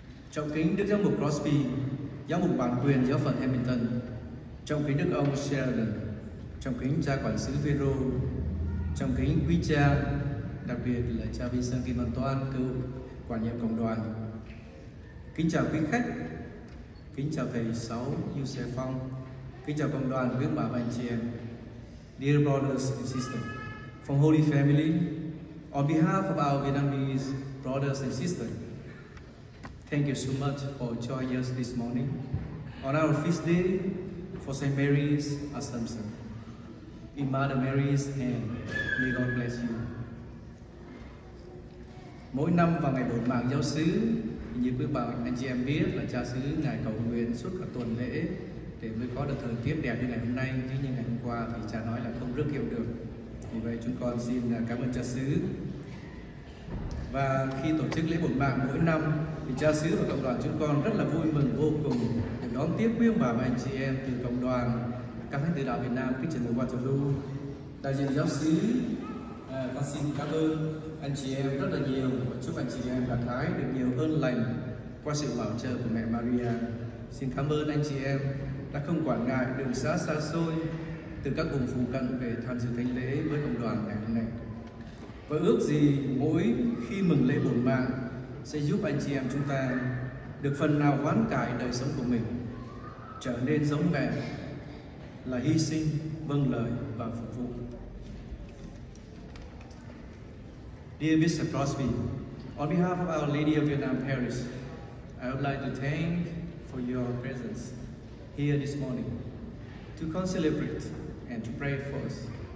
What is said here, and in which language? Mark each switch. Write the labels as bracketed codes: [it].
[vi] Trọng kính Đức Giám mục Crosby, Giám mục bản quyền giáo phận Hamilton, trọng kính Đức ông Sheridan, trọng kính cha quản sứ Vero, trọng kính quý cha, đặc biệt là cha Vincent Kim Văn Toan, cựu quản nhiệm cộng đoàn. Kính chào quý khách, kính chào thầy Sáu Yu Xe Phong, kính chào cộng đoàn viếng bảo anh chị em. [en] Dear brothers and sisters from Holy Family, on behalf of our Vietnamese brothers and sisters, thank you so much for joining us this morning on our feast day for St. Mary's Assumption. In Mother Mary's hand, may God bless you. [vi] Mỗi năm vào ngày bổn mạng giáo xứ, như quý bà anh chị em biết là cha xứ ngài cầu nguyện suốt cả tuần lễ để mới có được thời tiết đẹp như ngày hôm nay, chứ như ngày hôm qua thì cha nói là không rước kiệu được. Vì vậy chúng con xin cảm ơn cha xứ. Và khi tổ chức lễ bổn mạng mỗi năm thì cha xứ và cộng đoàn chúng con rất là vui mừng vô cùng để đón tiếp quý ông bà và anh chị em từ cộng đoàn các thánh tử đạo Việt Nam Kitchener-Waterloo. Đại diện giáo xứ, con xin cảm ơn anh chị em rất là nhiều và chúc anh chị em gặt hái được nhiều ơn lành qua sự bảo trợ của Mẹ Maria. Xin cảm ơn anh chị em đã không quản ngại đường xa xa xôi từ các vùng phụ cận về tham dự thánh lễ với cộng đoàn ngày hôm nay. Và ước gì mỗi khi mừng lễ bổn mạng sẽ giúp anh chị em chúng ta được phần nào hoán cải đời sống của mình, trở nên giống Mẹ là hy sinh, vâng lời và phục vụ. [en] Dear Bishop Crosby, on behalf of Our Lady of Vietnam Parish, I would like to thank for your presence here this morning. to come celebrate and to pray for us.